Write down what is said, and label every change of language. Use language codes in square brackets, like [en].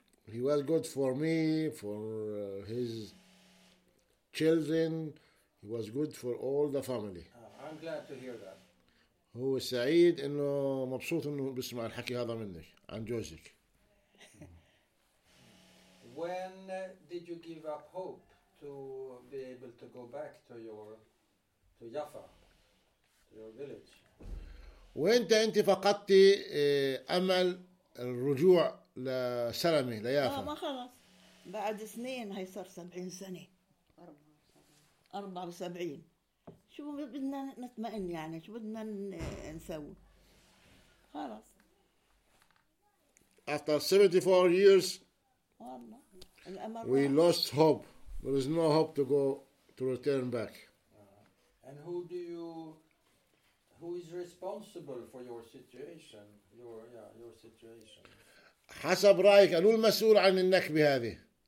[en] He was good for me, for his children. He was good for all the family. I'm glad to hear that. [ar] هو سعيد إنه مبسوط إنه بسمع الحكي هذا منك عن جوزك. [en] When did you give up hope to be able to go back to your to Jaffa, to your village? [ar] وانت انت فقدتي امل الرجوع لسلمي ليافا؟ ما خلص بعد سنين هي صار 70 سنه 74 شو بدنا نطمئن يعني شو بدنا نسوي خلص [en] after 74 years [ar] والله [en] We lost hope. There is no hope to go to return back. And who do you, who is responsible for your situation, your situation? [ar] حسب رأيك أنا المسؤول عن النكبة هذه.